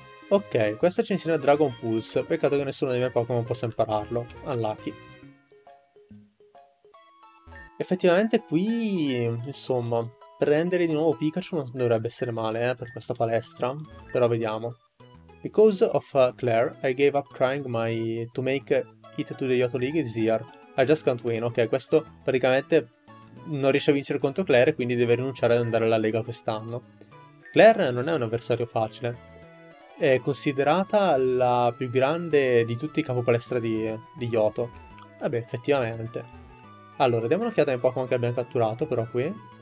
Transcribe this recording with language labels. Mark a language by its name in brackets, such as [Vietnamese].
[Italian] Ok, questo ci insegna Dragon Pulse. Peccato che nessuno dei miei Pokémon possa impararlo. Unlucky. Effettivamente qui, insomma, prendere di nuovo Pikachu non dovrebbe essere male, per questa palestra. Però vediamo. [English] Because of Claire, I gave up trying my to make it to the Yoto League this year. I just can't win. [Italian] Ok, questo praticamente non riesce a vincere contro Claire e quindi deve rinunciare ad andare alla Lega quest'anno. Claire non è un avversario facile. È considerata la più grande di tutti i capopalestra di Yoto. Vabbè, effettivamente. Allora, diamo un'occhiata ai Pokémon che abbiamo catturato, però qui.